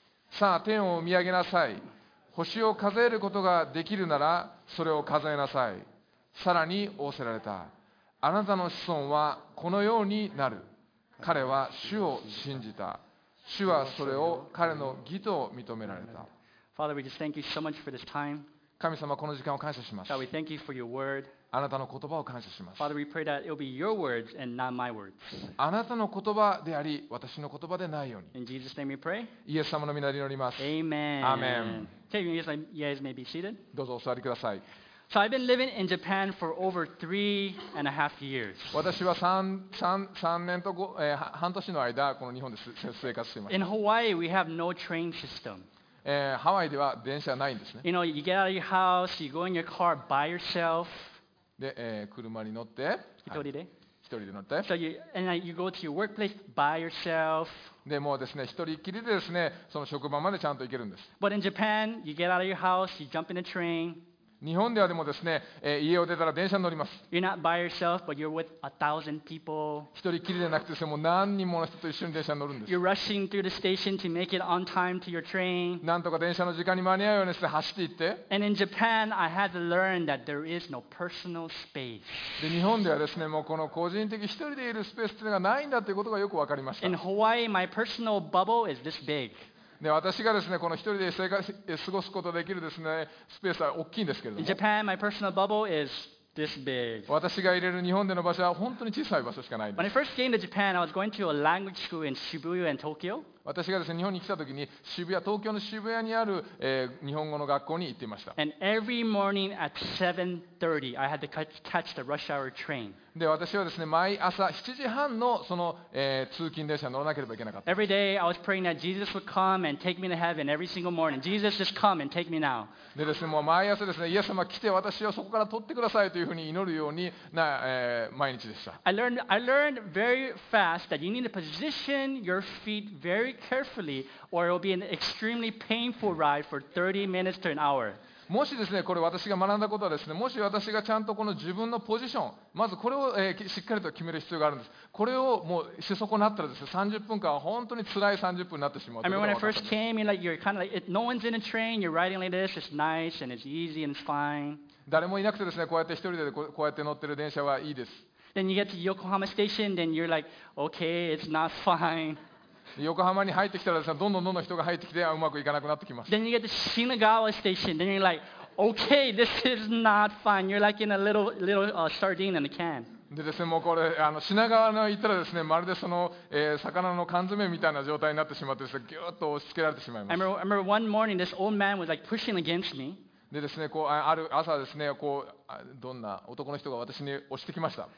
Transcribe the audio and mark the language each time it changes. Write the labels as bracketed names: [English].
[Japanese] さあ天を見上げなさい。星を数えることができるならそれを数えなさい。さらに仰せられた。あなたの子孫はこのようになる。彼は主を信じた。主はそれを彼の義と認められた。 [English] Father, we just thank you so much for this time. [Japanese] 神様、この時間を感謝します。 [English] God, we thank you for your word. [Japanese] あなたの言葉を感謝します。 [English] Father, we pray that it'll be your words and not my words. [Japanese] あなたの言葉であり、私の言葉でないように。 [English] In Jesus' name we pray. [Japanese] イエス様の御名で祈ります。 [English] Amen. Amen. Okay, you guys may be seated. [Japanese] どうぞお座りください。 [English] So I've been living in Japan for over 3.5 years. [Japanese] 私は3年と半年の間、この日本で生活しています。 [English] In Hawaii, we have no train system. [Japanese] ハワイでは電車ないんですね。 [English] You know, you get out of your house, you go in your car by yourself. [Japanese] で、車に乗って、一人で乗って。 [English] So you, and you go to your workplace by yourself. [Japanese] でもうですね、一人きりでですね、その職場までちゃんと行けるんです。 [English] But in Japan, you get out of your house, you jump in a train. [Japanese] 日本ではでもですね、家を出たら電車に乗ります。 [English] You're not by yourself, but you're with 1,000 people. [Japanese] 一人きりでなくてですね、もう何人もの人と一緒に電車に乗るんです。 [English] You're rushing through the station to make it on time to your train. [Japanese] なんとか電車の時間に間に合うようにして走って行って。 [English] And in Japan, I had to learn that there is no personal space. [Japanese] で、日本ではですね、もうこの個人的一人でいるスペースっていうのがないんだということがよくわかりました。 [English] In Hawaii, my personal bubble is this big. [Japanese] で私がですね、この一人で生活過ごすことができるですね、スペースは大きいんですけれども。 [English] In Japan, my personal bubble is this big. [Japanese] 私が入れる日本での場所は本当に小さい場所しかないんです。 [English] When I first came to Japan, I was going to a language school in Shibuya and Tokyo. [Japanese] 私がですね、日本に来た時に渋谷、東京の渋谷にある、日本語の学校に行っていました。 [English] And every morning at 7:30, I had to catch the rush hour train. [Japanese] で私はですね、毎朝7時半のその、通勤電車に乗らなければいけなかった。 [English] Every day I was praying that Jesus would come and take me to heaven every single morning. Jesus, just come and take me now. [Japanese] でですね、もう毎朝ですね、イエス様来て私をそこから取ってくださいというふうに祈るようにな、毎日でした。 [English] I learned very fast that you need to position your feet very carefully or it will be an extremely painful ride for 30 minutes to an hour. [Japanese] もしですね、これ私が学んだことはですね、もし私がちゃんとこの自分のポジション、まずこれを、しっかりと決める必要があるんです。これをもうし損なったらですね、30分間は本当に辛い30分になってしまうということが分かったんです。 [English] I mean, when I first came, you're kind of like, no one's in a train, you're riding like this, it's nice and it's easy and it's fine. [Japanese] 誰もいなくてですね、こうやって一人でこうやって乗ってる電車はいいです。 [English] Then you get to Yokohama station, then you're like, okay, it's not fine. [Japanese] 横浜に入ってきたらですね、どんどんどんどん人が入ってきて、うまくいかなくなってきます。 [English] Then you get to Shinagawa station, then you're like, okay, this is not fine. You're like in a little sardine in a can. [Japanese] でですね、もうこれ品川に行ったらですね、まるでその、魚の缶詰みたいな状態になってしまってですね、ぎゅっと押し付けられてしまいます。 [English] I remember one morning, this old man was like pushing against me. [Japanese] でですね、こうある朝ですね、こうどんな男の人が私に押してきました。